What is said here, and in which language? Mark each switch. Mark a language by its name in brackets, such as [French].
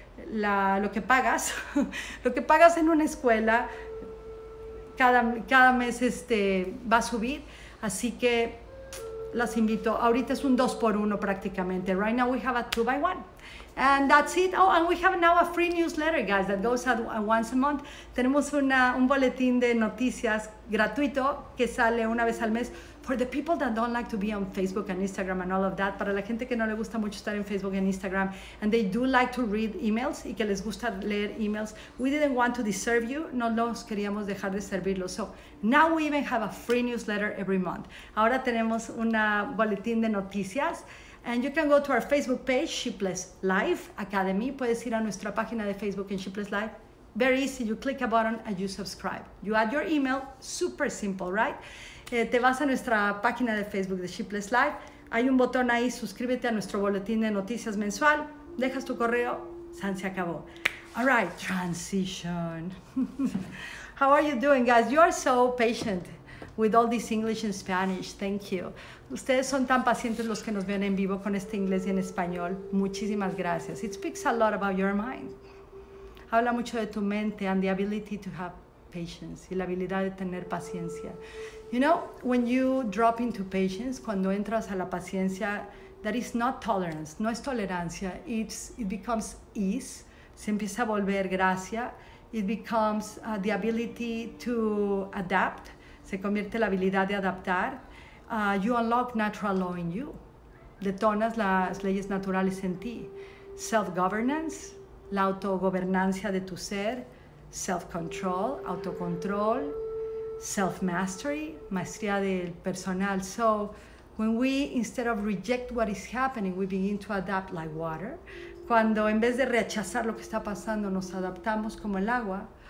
[Spanish] Lo que pagas, lo que pagas en una escuela cada mes va a subir, así que las invito. Ahorita es un 2x1 prácticamente. [English] Right now we have a 2x1. And that's it. Oh, and we have now a free newsletter, guys, that goes out once a month. [Spanish] Tenemos un boletín de noticias gratuito que sale una vez al mes. [English] For the people that don't like to be on Facebook and Instagram and all of that, [Spanish] para la gente que no le gusta mucho estar en Facebook [English] and Instagram, and they do like to read emails [Spanish] y que les gusta leer emails, [English] we didn't want to deserve you, [Spanish] no los queríamos dejar de servirlos. [English] So now we even have a free newsletter every month. [Spanish] Ahora tenemos una boletín de noticias. [English] And you can go to our Facebook page, Sheepless Life Academy. [Spanish] Puedes ir a nuestra página de Facebook en Sheepless Life. [English] Very easy, you click a button and you subscribe. You add your email, super simple, right? [Spanish] Te vas a nuestra página de Facebook de Sheepless Life. Hay un botón ahí, suscríbete a nuestro boletín de noticias mensual. Dejas tu correo, san se acabó. [English] All right, transition. How are you doing, guys? You are so patient with all this English and Spanish. Thank you. [Spanish] Ustedes son tan pacientes los que nos ven en vivo con este inglés y en español. Muchísimas gracias. [English] It speaks a lot about your mind. [Spanish] Habla mucho de tu mente [English] and the ability to have patience [Spanish] y la habilidad de tener paciencia. [English] You know, when you drop into patience, [Spanish] cuando entras a la paciencia, [English] that is not tolerance, [Spanish] no es tolerancia. [English] It becomes ease, [Spanish] se empieza a volver gracia. [English] It becomes the ability to adapt, [Spanish] se convierte la habilidad de adaptar. [English] You unlock natural law in you. [Spanish] Detonas las leyes naturales en ti. [English] Self-governance, [Spanish] la autogobernancia de tu ser. [English] Self-control, [Spanish] autocontrol. [English] Self-mastery, [Spanish] maestría del personal. [English] So when we, instead of reject what is happening, we begin to adapt like water. [Spanish] Cuando en vez de rechazar lo que está pasando, nos adaptamos como el agua.